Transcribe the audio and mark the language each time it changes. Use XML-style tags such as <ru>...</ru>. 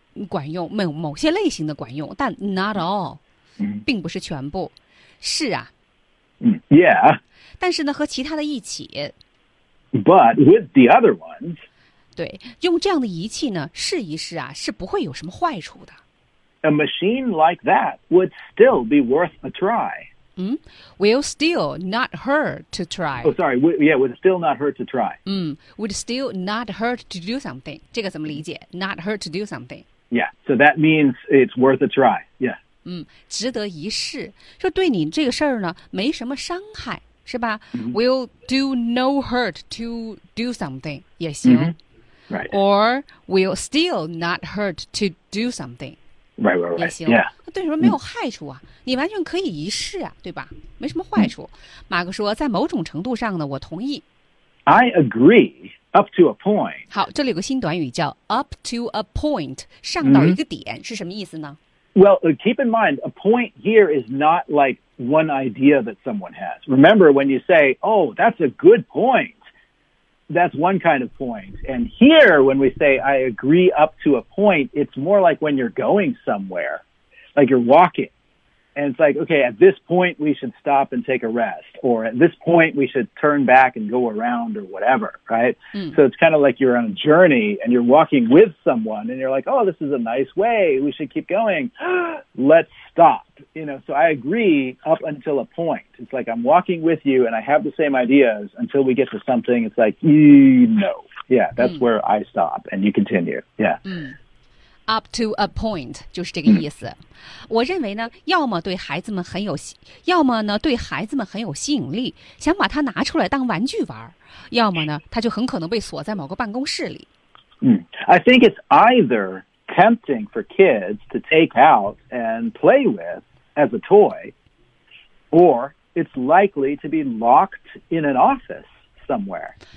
<zh>管用某些类型的管用但</zh> <en>not all、</en> <zh>并不是全部是啊、</zh> <en>yeah</en> <zh>但是呢和其他的一起</zh> <en>but with the other ones</en> <zh>对用这样的仪器呢试一试啊是不会有什么坏处的</zh> <en>a machine like that would still be worth a try Will still not hurt to try. Oh, sorry. Would still not hurt to try. Would still not hurt to do something.</en> <zh>这个怎么理解?</zh> <en>Not hurt to do something. Yeah, so that means it's worth a try. Yeah.</en> <zh>值得一试。说对你这个事儿呢，没什么伤害，是吧?</zh> <en>Mm-hmm. Will do no hurt to do something.</en> <zh>也行。</zh> <en>Mm-hmm. Right. Or will still not hurt to do something. Right. Yeah.</en> <zh>对你说没有害处啊，你完全可以一试啊，对吧？没什么坏处。马克说，在某种程度上呢，我同意。</zh> <en>I agree up to a point.</en> <zh>好，这里有个新短语叫 up to a point， 上到一个点是什么意思呢</zh> <en>？Well, keep in mind, a point here is not like one idea that someone has. Remember when you say, "Oh, that's a good point," that's one kind of point. And here, when we say "I agree up to a point," it's more like when you're going somewhere. Like you're walking, and it's like, okay, at this point, we should stop and take a rest, or at this point, we should turn back and go around or whatever, right? So it's kind of like you're on a journey, and you're walking with someone, and you're like, oh, this is a nice way, we should keep going, let's stop, you know? So I agree up until a point. It's like I'm walking with you, and I have the same ideas until we get to something. It's like, you know, yeah, that's where I stop, and you continue, yeah.</en> <zh>Up to a point, 就是这个意思。我认为呢，要么呢对孩子们很有吸引力，想把它拿出来当玩具玩，要么呢它就很可能被锁在某个办公室里。</zh> <en>I think it's either tempting for kids to take out and play with as a toy, or it's likely to be locked in an office somewhere.</en>